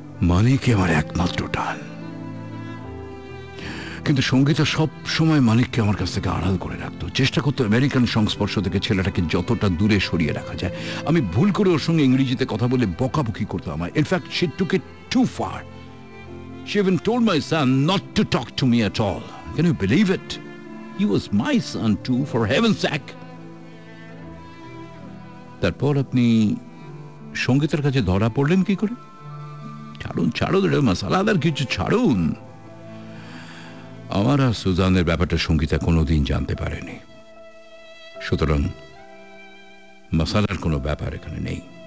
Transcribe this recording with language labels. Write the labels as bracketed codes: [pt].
[bn] মানিকই আমার একমাত্র টান, কিন্তু সঙ্গীতা সব সময় মানিককে আমার কাছ থেকে আড়াল করে রাখতো, চেষ্টা করতো আমেরিকান সংস্পর্শ থেকে ছেলেটাকে যতটা দূরে সরিয়ে রাখা যায়। আমি ভুল করে ওর সঙ্গে ইংরেজিতে কথা বলে বকাবকি করতো, আমার [en] In fact she took it too far, She even told my son not to talk to me at all. Can you believe it? He was my son too, for heaven's sake. [bn] তারপর আপনি সঙ্গীতের কাছে ধরা পড়লেন কি করে? ছাড়ুন ছাড়ুন রে মশালা, আর কিছু ছাড়ুন। আমার আর সুজানের ব্যাপারটা সঙ্গীতা কোনোদিন জানতে পারেনি, সুতরাং মশালার কোনো ব্যাপার এখানে নেই।